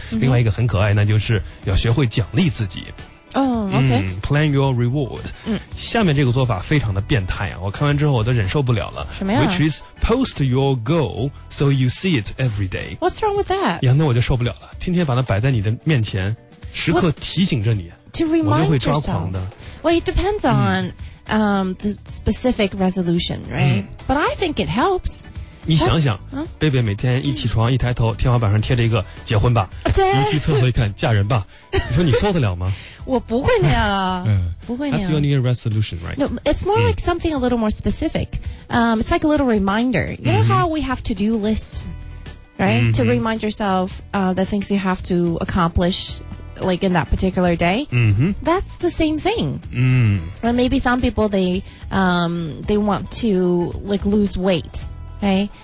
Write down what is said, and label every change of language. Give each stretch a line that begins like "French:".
Chinese: 另外一个很可爱，那就是要学会奖励自己。
English: Plan your reward.
Chinese: 下面这个做法非常的变态啊，我看完之后我都忍受不了了。什么呀？
English: Which is post your goal so you see it every day. What's wrong with that?
Chinese: 呀，那我就受不了了，天天把它摆在你的面前，时刻提醒着你。
English: To remind yourself.
Chinese: 我就会抓狂的。
English: Well, it depends on, the specific resolution, right? But I think it helps.
Chinese: 你想想，贝贝每天一起床，一抬头，天花板上贴着一个结婚吧，尤其侧头一看，嫁人吧，你说你受得了吗？我不会那样啊，不会那样。
English: That's your new resolution, right? No, it's more like something a little more specific. It's like a little reminder. You know how we have to-do list, right? To remind yourself, the things you have to accomplish, like in that particular day. That's the same thing. Well, maybe some people, they want to, like, lose weight, right?